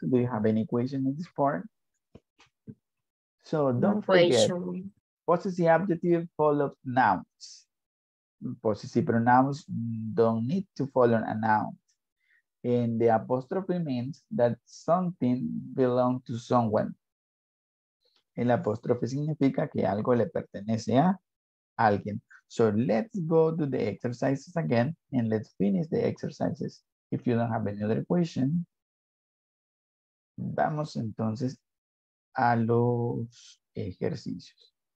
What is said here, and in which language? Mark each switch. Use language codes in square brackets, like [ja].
[en] Do you have any questions in this part? So don't forget. Possessive adjective follow nouns. Possessive pronouns don't need to follow a noun. And the apostrophe means that something belongs to someone. [es] El apostrofe significa que algo le pertenece a alguien. [en] So let's go to the exercises again and let's finish the exercises. If you don't have any other question, [es] vamos entonces a los ejercicios.